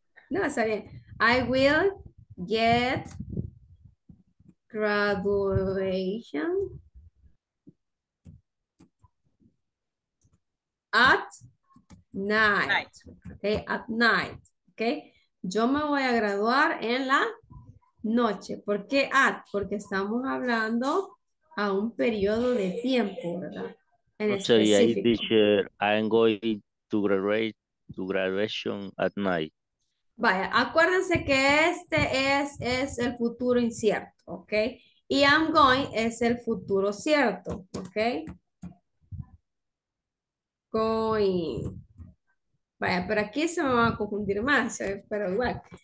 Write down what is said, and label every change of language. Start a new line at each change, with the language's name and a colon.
Spanish: No, está bien.
English: I will get graduation at night. Okay, at night. Okay.
Spanish: Yo me voy a graduar en la noche. ¿Por qué at? Porque estamos hablando a un periodo de tiempo, ¿verdad? En okay, específico.
English: Teacher, I'm going to graduate to graduation at night.
Spanish: Vaya, acuérdense que este es el futuro incierto, ¿ok? Y I'm going es el futuro cierto, ¿ok? Going. Vaya, pero aquí se me va a confundir más, pero igual.